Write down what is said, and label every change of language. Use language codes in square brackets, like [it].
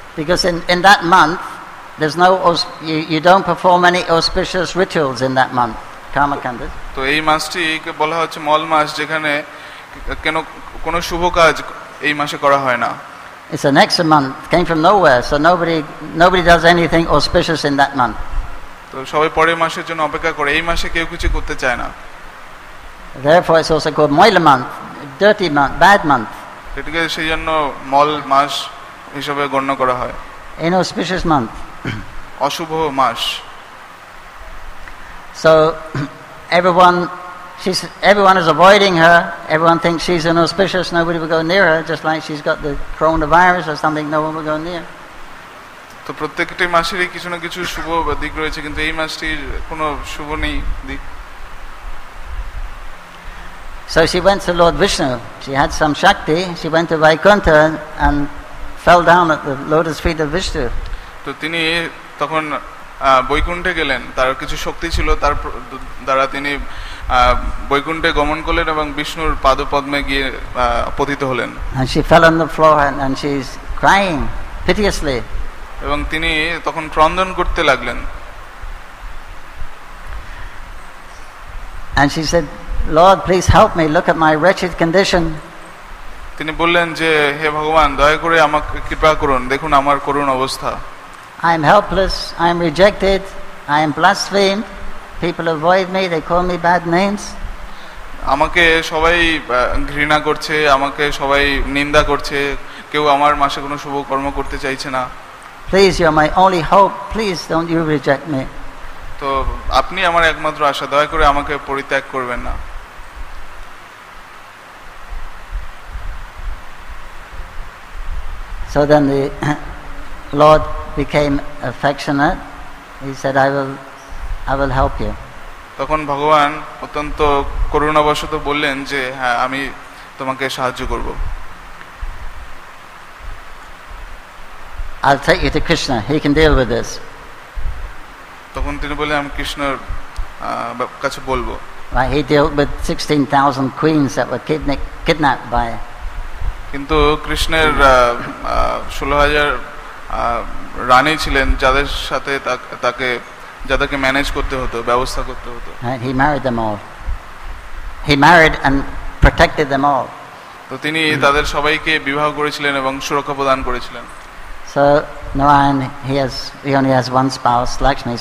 [en] Because in that month, there's no you don't perform any auspicious rituals in that month, Karmakanda. [bn] তো এই মাসটি বলা হচ্ছে মল মাস, যেখানে কেন কোনো শুভ কাজ এই মাসে করা হয় না. [en] It's an extra month, came from nowhere, so nobody does anything auspicious in that month. [bn] তো সবাই পরের মাসের জন্য অপেক্ষা করে, এই মাসে কেউ কিছু করতে চায় না. [en] Therefore, it's also called moila month, dirty month, bad month. [bn] এটাকে সেই জন্য মল মাস হিসেবে গণ্য করা হয়. [en] Inauspicious month. [bn] অশুভ মাস. [en] So everyone is avoiding her. Everyone thinks she's inauspicious. Nobody will go near her, just like she's got the coronavirus or something. No one will go near. [bn] তো প্রত্যেকটি মাসেরই কিছু না কিছু শুভ দিক রয়েছে, কিন্তু এই মাসটির কোনো শুভ নেই দিক. [en] So she went to Lord Vishnu. She had some shakti. She went to Vaikuntha and fell down at the lotus feet of Vishnu. [bn] তো তিনি তখন বৈকুণ্ঠে গেলেন. তার কিছু শক্তি ছিল, তার দ্বারা তিনি বৈকুণ্ঠে গমন করলেন এবং বিষ্ণুর পাদপদ্মে গিয়ে পতিত হলেন. [en] And she fell on the floor and she is crying piteously. [bn] এবং তিনি তখন ক্রন্দন করতে লাগলেন. [en] And she said, Lord, please help me. Look at my wretched condition. [bn] তিনি বললেন যে হে ভগবান, দয়া করে আমাকে কৃপা করুন, দেখুন আমার করুণ অবস্থা. [en] I am helpless, I am rejected, I am blasphemed. People avoid me, they call me bad names. [bn] আমাকে সবাই ঘৃণা করছে, আমাকে সবাই নিন্দা করছে, কেউ আমার মাসে কোনো শুভ কর্ম করতে চাইছে না. [en] Please, you are my only hope. Please don't you reject me. [bn] তো আপনি আমার একমাত্র আশা, দয়া করে আমাকে পরিত্যাগ করবেন না. [en] So then the Lord became affectionate. He said, I will help you. [bn] তখন ভগবান অত্যন্ত করুণাবশত বললেন যে হ্যাঁ, আমি তোমাকে সাহায্য করব. [en] I'll take you to Krishna. He can deal with this. [bn] তখন তিনি বললেন, আমি কৃষ্ণের কাছে বলবো. [en] Right, he dealt with 16,000 queens that were kidnapped by. [bn] কিন্তু কৃষ্ণের 16,000 রানী ছিলেন, যাদের সাথে তাকে যাদেরকে ম্যানেজ করতে হতো, ব্যবস্থা করতে হতো. [en] He married them all. He married and protected them all. [bn] তো তিনি তাদের সবাইকে বিবাহ করেছিলেন এবং সুরক্ষা প্রদান করেছিলেন. [en] So Narayan, he only has one spouse, Lakshmi.